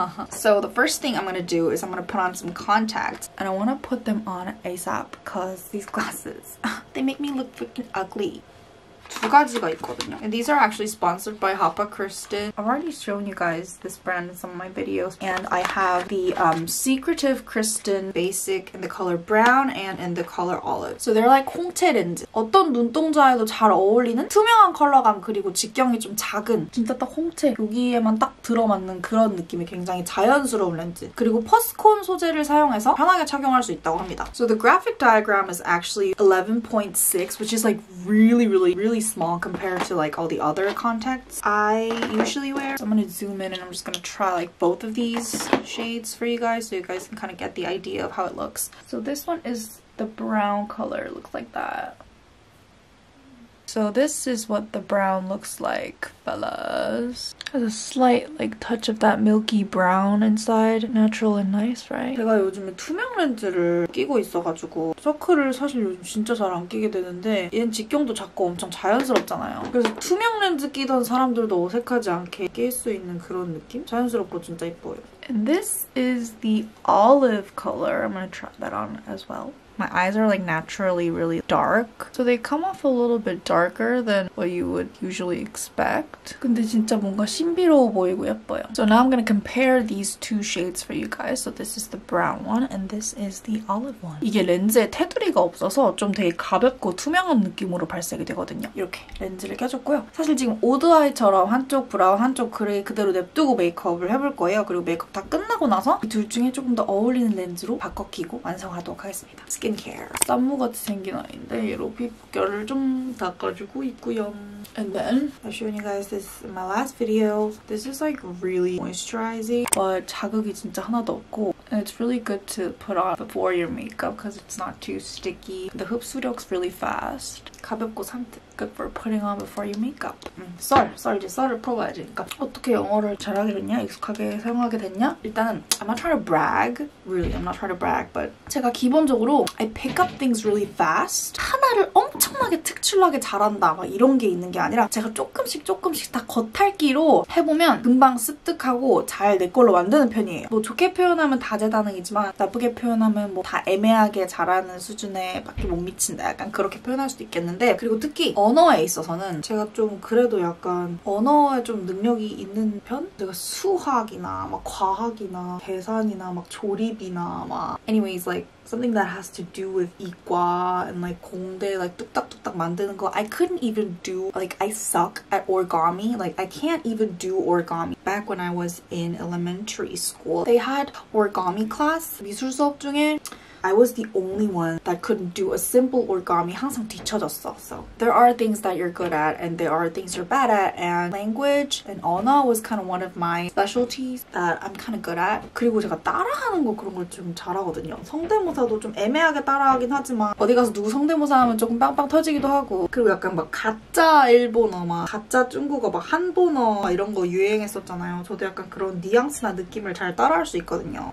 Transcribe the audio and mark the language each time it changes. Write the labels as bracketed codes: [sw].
[en] So the first thing I'm gonna do is I'm gonna put on some contacts and I wanna put them on ASAP because these glasses, they make me look freaking ugly. [ko] 두 가지가 있거든요. [en] And these are actually sponsored by HapaKristen. I've already shown you guys this brand in some of my videos. And I have the Secretive Kristen Basic in the color brown and in the color olive. So they're like [ko] 홍채 렌즈. 어떤 눈동자에도 잘 어울리는 투명한 컬러감 그리고 직경이 좀 작은 진짜 딱 홍채 여기에만 딱 들어맞는 그런 느낌이 굉장히 자연스러운 렌즈. 그리고 퍼스콘 소재를 사용해서 편하게 착용할 수 있다고 합니다. [en] So the graphic diagram is actually 11.6 which is like really small compared to like all the other contacts I usually wear. So I'm gonna zoom in and I'm just gonna try like both of these shades for you guys so you guys can kind of get the idea of how it looks. So this one is the brown color, looks like that. So this is what the brown looks like, fellas. Has a slight like touch of that milky brown inside. Natural and nice, right? [ko] 제가 요즘에 투명 렌즈를 끼고 있어가지고 서클을 사실 요즘 진짜 잘 안 끼게 되는데 얘는 직경도 작고 엄청 자연스럽잖아요. 그래서 투명 렌즈 끼던 사람들도 어색하지 않게 낄 수 있는 그런 느낌? 자연스럽고 진짜 예뻐요. [en] And this is the olive color. I'm gonna try that on as well. My eyes are like naturally really dark. So they come off a little bit darker than what you would usually expect. [ko] 근데 진짜 뭔가 신비로워 보이고 예뻐요. [en] So now I'm gonna compare these two shades for you guys. So this is the brown one and this is the olive one. [ko] 이게 렌즈에 테두리가 없어서 좀 되게 가볍고 투명한 느낌으로 발색이 되거든요. 이렇게 렌즈를 껴줬고요. 사실 지금 오드아이처럼 한쪽 브라운 한쪽 그레이 그대로 냅두고 메이크업을 해볼 거예요. 그리고 메이크업 다 끝나고 나서 이 둘 중에 조금 더 어울리는 렌즈로 바꿔 끼고 완성하도록 하겠습니다. 스킨케어. 쌈무같이 생긴 아이인데 얘로 피부결을 좀 닦아주고 있고요. [en] And then I've shown you guys this in my last video. This is like really moisturizing. But [ko] 자극이 진짜 하나도 없고 [en] And it's really good to put on before your makeup because it's not too sticky. The 흡수력's really fast. [ko] 가볍고 상태. [en] Good for putting on before your makeup. [ko] 썰 이제 썰을 풀어봐야지. 그러니까 어떻게 영어를 잘하게 됐냐? 익숙하게 사용하게 됐냐? 일단은 I'm not trying to brag. Really, I'm not trying to brag. But 제가 기본적으로 I pick up things really fast. 하나를 엄청나게 특출나게 잘한다. 막 이런 게 있는 게 아니라 제가 조금씩 다 겉핥기로 해보면 금방 습득하고 잘 내 걸로 만드는 편이에요. 뭐 좋게 표현하면 다재다능이지만 나쁘게 표현하면 뭐 다 애매하게 잘하는 수준에 밖에 못 미친다 약간 그렇게 표현할 수도 있겠는데 그리고 특히 언어에 있어서는 제가 좀 그래도 약간 언어에 좀 능력이 있는 편? 제가 수학이나 막 과학이나 계산이나 막 조립이나 막 [en] anyways like something that has to do with [ko] 이과 [en] and like [ko] 공대 [en] like [ko] 뚝딱뚝딱 만드는 거 [en] I couldn't even do like I suck at origami like I can't even do origami back when I was in elementary school they had origami class [ko] 미술 수업 중에 [en] I was the only one that couldn't do a simple origami. [ko] 항상 뒤쳐졌어. [en] So there are things that you're good at and there are things you're bad at. And language and 언어 was kind of one of my specialties that I'm kind of good at. [ko] 그리고 제가 따라하는 거 그런 걸 좀 잘하거든요. 성대모사도 좀 애매하게 따라하긴 하지만 어디 가서 누구 성대모사 하면 조금 빵빵 터지기도 하고 그리고 약간 막 가짜 일본어 막 가짜 중국어 막 한본어 막 이런 거 유행했었잖아요. 저도 약간 그런 뉘앙스나 느낌을 잘 따라할 수 있거든요.